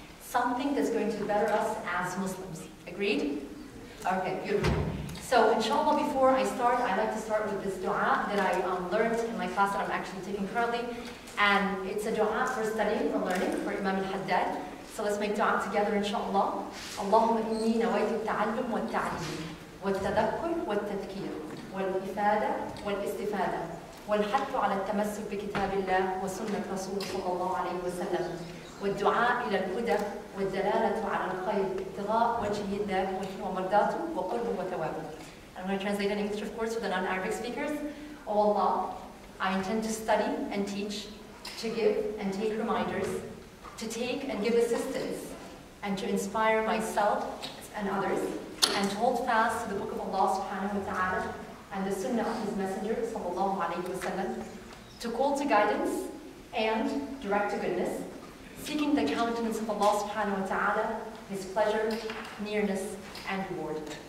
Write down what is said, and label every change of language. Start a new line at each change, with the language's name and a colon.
English: Something that's going to better us as Muslims. Agreed? Okay, beautiful. So inshallah, before I start, I'd like to start with this dua that I learned in my class that I'm actually taking currently. And it's a dua for studying, for learning, for Imam al-Haddad. So let's make dua together inshallah.
Arabic: Allahumma inni nawaitu ta'allum wa ta'allim wa tadakkur wa tadkir wa al-ifada wa al-istifada والحث على التمسك بكتاب الله وسنة رسوله صلى الله عليه وسلم والدعاء إلى الهدى والدلالة على الخير ابتغاء وجه الله ومرضاته وقربه وثوابه.
English: I'm going to translate in English, of course, for the non-Arabic speakers. O Allah, I intend to study and teach, to give and take reminders, to take and give assistance, and to inspire myself and others, and to hold fast to the Book of Allah subhanahu wa ta'ala and the Sunnah of His Messenger, sallallahu alayhi wa sallam, to call to guidance and direct to goodness, seeking the countenance of Allah subhanahu wa ta'ala, His pleasure, nearness, and reward.